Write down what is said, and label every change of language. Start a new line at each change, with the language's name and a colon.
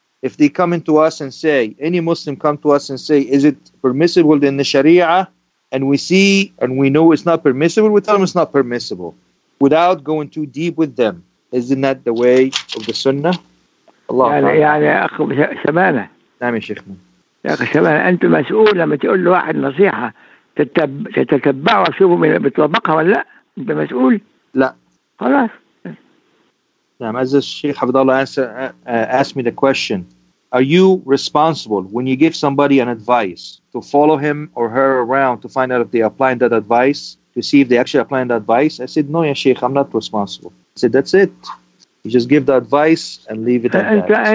English: If they come into us and say, any Muslim come to us and say, is it permissible in the Sharia? And we see and we know it's not permissible, we tell them it's not permissible. Without going too deep with them. Isn't that the way of the Sunnah?
Arabic: Allah. يعني أخي سمانة. نعم يا شيخنا. يا أخي سمانة, أنت مسؤول لما تقول لواحد نصيحة تتبع وشوفه من بتطبقها ولا لا؟ أنت مسؤول؟ لا.
English: Hello. Now, as the Sheikh Hafidhahullah asked me the question, are you responsible when you give somebody an advice to follow him or her around to find out if they are applying that advice, to see if they actually applying that advice? I said, no, ya Sheikh, I'm not responsible. I said, that's it. You just give the advice and leave it at that.